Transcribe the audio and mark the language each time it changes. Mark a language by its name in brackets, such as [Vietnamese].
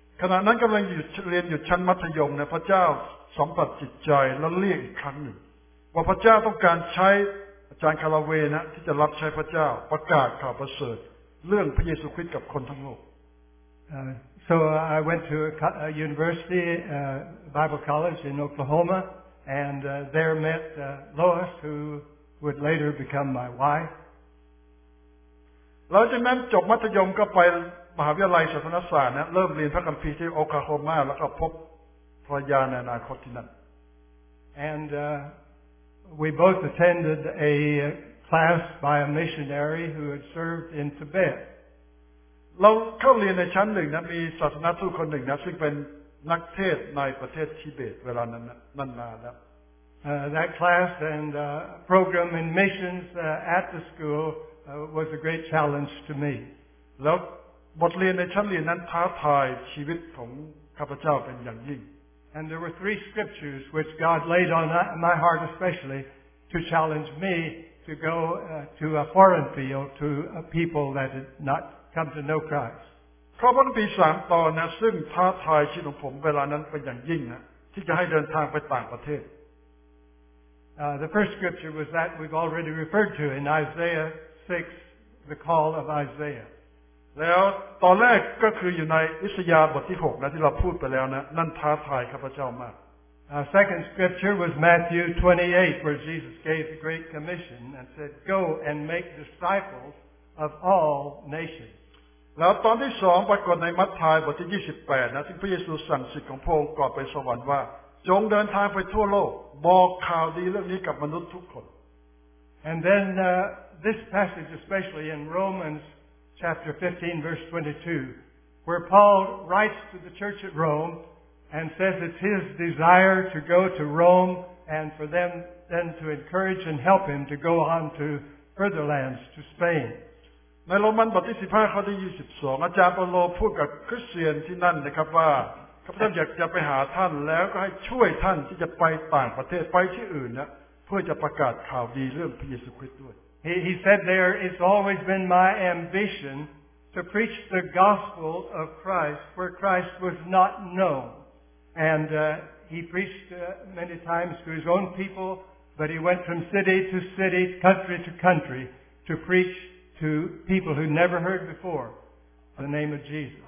[Thai] ขณะนั้นกำลังอยู่เรียนอยู่ชั้นมัธยมนะพระเจ้าสัมผัสจิตใจแล้วเรียกอีกครั้งหนึ่งว่าพระเจ้าต้องการใช้อาจารย์คาราเวนะที่จะรับใช้พระเจ้าประกาศข่าวประเสริฐเรื่องพระเยซูคริสต์กับคนทั้งโลก [English] So I went to a university, Bible college in Oklahoma, and there met Lois, who would later become my wife. [Thai] แล้วจากนั้นจบมัธยมก็ไปมหาวิทยาลัยศาสนศาสตร์นะเริ่มเรียนพระคัมภีร์ที่โอคลาโฮมาแล้วก็พบภรรยาในอนาคตที่นั่น [English] And we both attended a class by a missionary who had served in Tibet. [Thai] เราเข้าเรียนในชั้นหนึ่งนะมีศาสนทูตคนหนึ่งนะซึ่งเป็นนักเทศในประเทศทิเบตเวลานั้นนานแล้ว [English] That class and program in missions at the school was a great challenge to me. [Thai] แล้วบทเรียนในชั้นเรียนนั้นท้าทายชีวิตของข้าพเจ้าเป็นอย่างยิ่ง [English] And there were three scriptures which God laid on my heart especially to challenge me to go to a foreign field to a people that had not come to know Christ. [Thai] ข้อพระคัมภีร์สามตอนนะซึ่งท้าทายชีวิตของผมเวลานั้นเป็นอย่างยิ่งนะที่จะให้เดินทางไปต่างประเทศ [English] The first scripture was that we've already referred to in Isaiah 6, the call of Isaiah. [Thai] แล้วตอนแรกก็คืออยู่ในอิสยาห์บทที่6นะที่เราพูดไปแล้วนะนั่นท้าทายข้าพเจ้ามาก [English] Second scripture was Matthew 28, where Jesus gave the great commission and said, Go and make disciples of all nations. [Thai] แล้วตอนที่2ปรากฏในมัทธายบทที่28นะที่พระเยซูสั่งศิษย์ของพระองค์ก่อนไปสวรรค์ว่าจงเดินทางไปทั่วโลกบอกข่าวดีเรื่องนี้กับมนุษย์ทุกคน [English] And then this passage especially in Romans chapter 15 verse 22 where Paul writes to the church at Rome and says it's his desire to go to Rome and for them then to encourage and help him to go on to further lands to Spain [Thai] ในโรมันบทที่15ข้อที่22อาจารย์เปาโลพูดกับคริสเตียนที่นั่นนะครับว่าข้าพเจ้าอยากจะไปหาท่านแล้วก็ให้ช่วยท่านที่จะไปต่างประเทศไปที่อื่นนะเพื่อจะประกาศข่าวดีเรื่องพระเยซูคริสต์ด้วย [English] He said there it's always been my ambition to preach the gospel of Christ where Christ was not known and he preached many times to his own people but he went from city to city country to country to preach to people who never heard beforeThe name of Jesus.